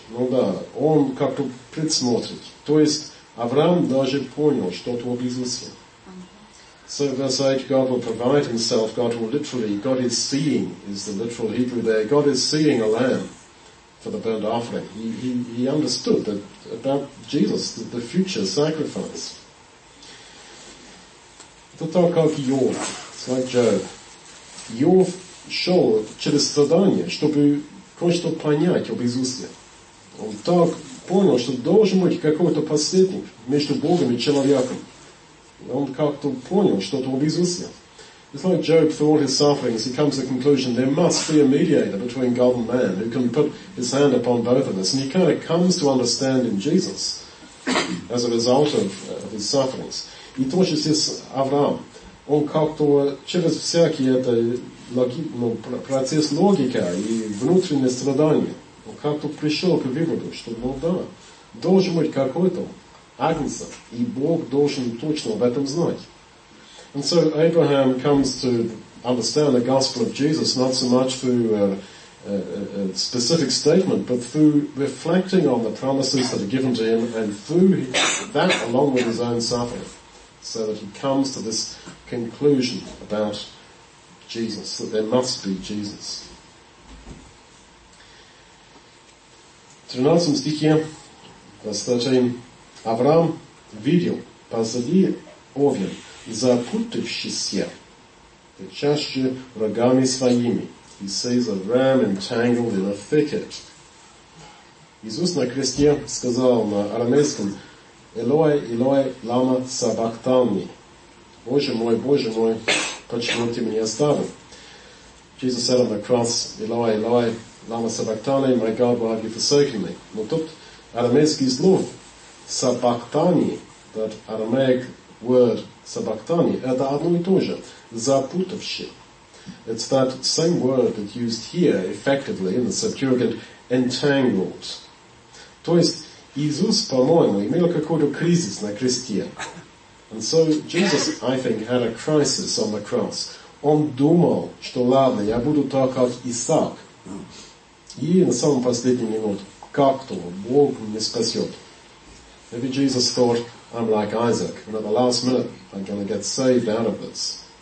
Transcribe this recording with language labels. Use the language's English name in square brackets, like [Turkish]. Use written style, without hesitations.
[Russian] Ну да, он как-то предсмотрит. То есть Авраам даже понял что-то об Иисусе. [English] So verse 8, God will provide himself. God will literally, God is seeing, is the literal Hebrew there. God is seeing a lamb for the burnt offering. He understood that about Jesus, the future sacrifice. [Russian] Это так, как Иов. [English] It's like Job. [Russian] Иов шел через страдания, чтобы кое-что понять об Иисусе. Он так понял, что должен быть какой-то посредник между Богом и человеком. Он как-то понял что-то об Иисусе. [English] It's like Job, through all his sufferings, he comes to the conclusion there must be a mediator between God and man who can put his hand upon both of us. And he kind of comes to understand in Jesus as a result of his sufferings. [Russian] И то же здесь Авраам. Он как-то через всякий процесс логика и внутренние страдания, он как-то пришел к выводу, что, ну да, должен быть какой-то агнец, и Бог должен точно об этом знать. [English] And so Abraham comes to understand the gospel of Jesus not so much through a specific statement, but through reflecting on the promises that are given to him and through that along with his own suffering, so that he comes to this conclusion about Jesus, that there must be Jesus. [Russian] 13 стихе, [English] verse 13, [Russian] Авраам видел позади овен, запутавшийся в чаще рогами своими. [English] He sees a ram entangled in a thicket. [Russian] Иисус на кресте сказал на арамейском [Aramaic] «Элой, Элой, лама сабахтани». [Russian] Боже мой, почему ты меня оставил?» [English] Jesus said on the cross [Aramaic] «Элой, Элой, лама сабахтани, [English] my God, why have you forsaken me?» [Russian] Но тут арамейский слов «сабахтани», [English] that Aramaic [Russian] в Сабхактане это одно и то же, запутавший. [English] It's that same word that's used here effectively in the Septuagint, entangled. [Russian] То есть Иисус, по-моему, имел какой-то кризис на кресте. [English] And so Jesus, I think, had a crisis on the cross. [Russian] Он думал, что ладно, я буду так, как Исаак. И на самом последнем минуте, как-то Бог меня спасет. [English] Maybe Jesus thought, I'm like Isaac, and at the last minute, I'm going to get saved out of this.